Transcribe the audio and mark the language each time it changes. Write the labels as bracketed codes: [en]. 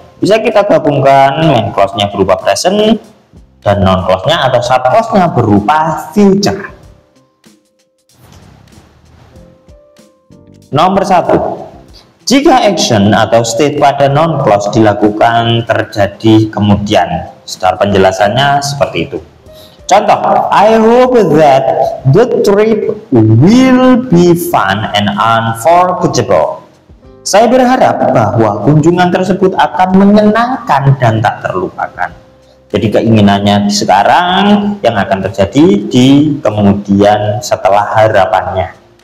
[id] Bisa kita gabungkan main clause-nya berupa present dan non clause-nya atau sub clause-nya berupa future. Nomor satu, jika action atau state pada non clause dilakukan terjadi kemudian. Secara penjelasannya seperti itu. Contoh, [en] I hope that the trip will be fun and unforgettable. [id] Saya berharap bahwa kunjungan tersebut akan menyenangkan dan tak terlupakan. Jadi keinginannya di sekarang yang akan terjadi di kemudian setelah harapannya.